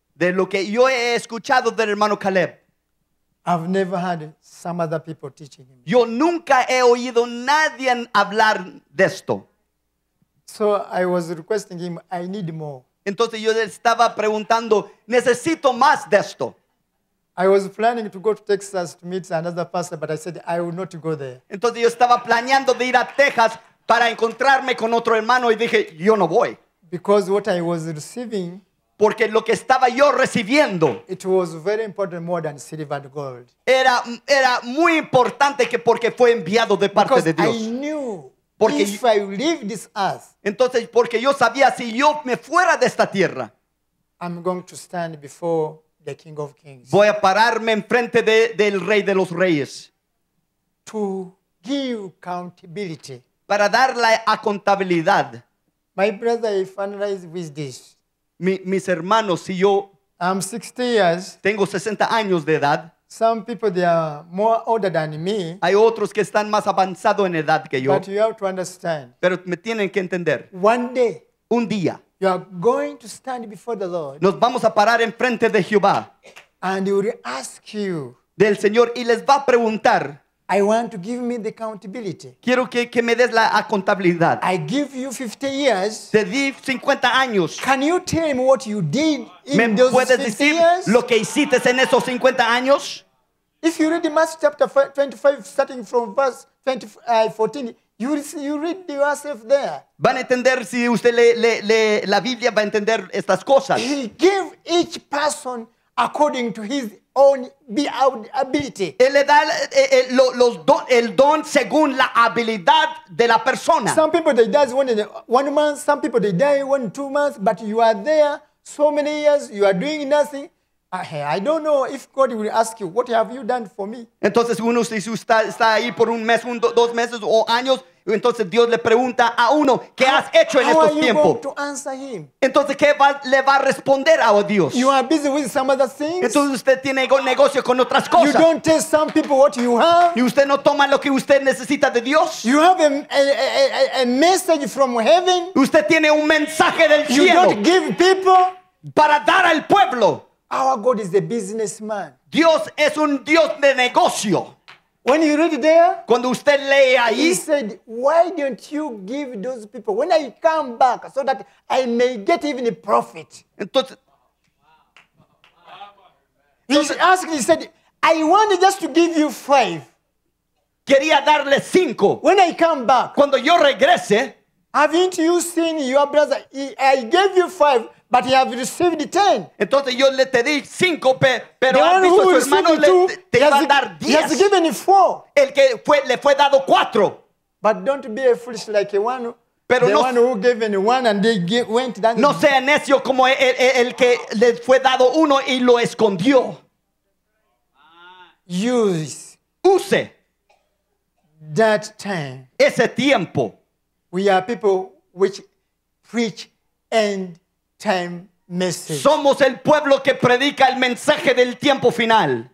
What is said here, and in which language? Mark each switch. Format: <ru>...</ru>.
<es>De lo que yo he escuchado del hermano Caleb.</es> <en>I've never had some other people teaching him.</en> <es>Yo nunca he oído nadie hablar de esto.</es> <en>So I was requesting him, I need more.</en> <es>Entonces yo estaba preguntando, necesito más de esto.</es> <en>I was planning to go to Texas to meet another pastor, but I said I will not go there.</en> <es>Entonces yo estaba planeando de ir a Texas para encontrarme con otro hermano y dije, yo no voy.</es> <en>Because what I was receiving,</en> <es>porque lo que estaba yo recibiendo,</es> <en>it was very important, more than silver and gold.</en> <es>Era muy importante que porque fue enviado de parte</es> <en>because</en> <es>de Dios.</es> <en>I knew porque, if I leave this earth,</en> <es>entonces porque yo sabía si yo me fuera de esta tierra,</es> <en>I'm going to stand before the King of Kings.</en> <es>Voy a pararme enfrente del Rey de los Reyes.</es> <en>To give accountability.</en> <es>Para dar la accountability.</es> <en>My brother, I finalize with this.</en> <es>Mis hermanos, si yo</es> <en>I'm 60 years,</en> <es>tengo 60 años de edad,</es> <en>some people they are more older than me,</en> <es>hay otros que están más avanzados en edad que yo,</es> <en>but you have to understand,</en> <es>pero me tienen que entender,</es> <en>one day,</en> <es>un día,</es> <en>you are going to stand before the Lord,</en> <es>nos vamos a parar en frente de Jehová,</es> <en>and he will ask you,</en> <es>del Señor, y les va a preguntar,</es> <en>I want to give me the accountability.</en> <es>Quiero que me des la accountability.</es> <en>I give you 50 years.</en> <es>Te di 50 años.</es> <en>Can you tell me what you did in</en> <es>¿Me</es> <en>those</en> <es>puedes 50 decir</es> <en>years?</en> <es>Lo que hiciste en esos 50 años?</es> <en>If you read Matthew chapter 25, starting from verse 14, you read yourself there.</en> <es>Van a entender si usted lee la Biblia, va a entender estas cosas.</es> <en>He gave each person according to his own ability.</en> <es>Él le da el don según la habilidad de la persona.</es> <en>Some people they die one month, some people they die 1-2 months, but you are there so many years, you are doing nothing. I don't know if God will ask you, what have you done for me?</en> <es>Entonces uno si está ahí por un mes, dos meses o años, entonces Dios le pregunta a uno, ¿qué has hecho en estos tiempos?</es> <en>To answer him?</en> <es>Entonces, ¿qué le va a responder a Dios?</es> <en>You are busy with some other things.</en> <es>Entonces, usted tiene negocio con otras cosas.</es> <en>You don't tell some people what you have.</en> <es>Y usted no toma lo que usted necesita de Dios.</es> <en>You have a message from heaven.</en> <es>Usted tiene un mensaje del</es> <en>you</en> <es>cielo.</es> <en>You don't give people.</en> <es>Para dar al pueblo.</es> <en>Our God is a businessman.</en> <es>Dios es un Dios de negocio.</es> <en>When you read there,</en> <es>cuando usted lee ahí,</es> <en>he said, why don't you give those people when I come back so that I may get even a profit?</en> <es>Entonces,</es> <en>he said, I want just to give you 5.</en> <es>Quería darle 5.</es> <en>When I come back,</en> <es>cuando yo regrese,</es> <en>haven't you seen your brother? I gave you 5, But he have received 10.</en> <es>Entonces yo le te di 5, pero han visto sus hermanos te iban a dar 10.</es> <en>He has given 4.</en> <es>El que fue, le fue dado 4.</es> <en>But don't be a foolish like one. Pero the one who gave one and they went down.</en> <es>No sea necio como el que le fue dado uno y lo escondió.</es> <en>Use that time.</en> <es>Ese tiempo.</es> <en>We are people which preach end time message.</en> <es>Somos el pueblo que predica el mensaje del tiempo final.</es>